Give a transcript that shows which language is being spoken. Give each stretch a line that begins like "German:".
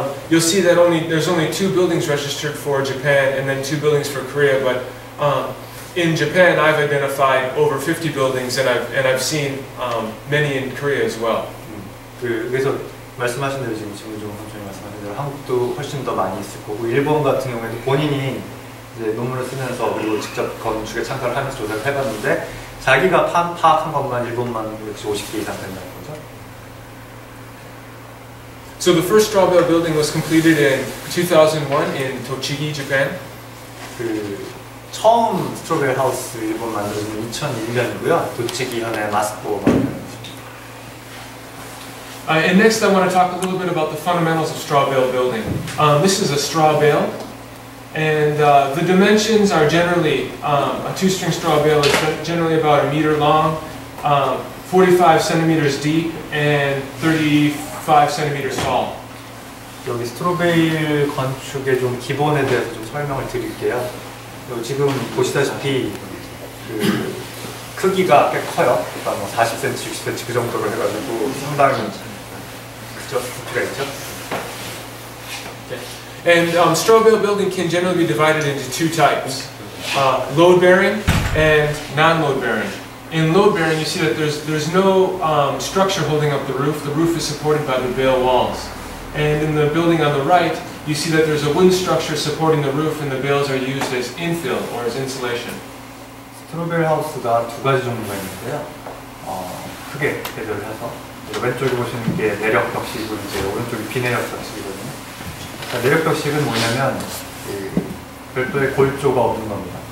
English: You'll see that there's only two buildings registered for Japan and then two buildings for Korea, but in Japan I've identified over 50 buildings and I've seen many in Korea as well.
Korean: 그래서 말씀하신 대로 지금 질문 좀 말씀하신 대로 한국도 훨씬 더 많이 있을 거고 일본 같은 경우에도 본인이 이제 논문을 쓰면서 그리고 직접 건축에 참가를 하면서 조사를 해봤는데 자기가 파악한 것만 일본만 그렇게 50개 이상 된다는 거죠.
English: So the first straw bale building was completed in 2001 in Tochigi, Japan.
Korean: 그 처음 스트로베일 하우스 일본 만들어진 2001년이고요. 도치기현의 마스코가.
English: And next I want to talk a little bit about the fundamentals of straw bale building. This is a straw bale. And the dimensions are generally, a two-string straw bale is generally about a meter long, 45 centimeters deep, and 5cm tall.
Korean: 여기 스트로베일 건축의 좀 기본에 대해서 좀 설명을 드릴게요. 지금 보시다시피 그 크기가 꽤 커요. 그러니까 뭐 40cm, 60cm 그 정도로 해가지고 상당히 그죠? 크기가 있죠?
English: Okay. And straw bale building can generally be divided into two types. Load bearing and non-load bearing. In load bearing, you see that there's no structure holding up the roof. The roof is supported by the bale walls. And in the building on the right, you see that there's a wooden structure supporting the roof, and the bales are used as infill or as insulation.
Korean: 스트로베일 하우스가 두 가지 종류가 있는데요. 크게 대조를 해서 왼쪽에 보시는 게 내력 벽식이고 이제 오른쪽이 비내력 벽식이거든요. 자, 내력 벽식은 뭐냐면 별도의 골조가 없는 겁니다.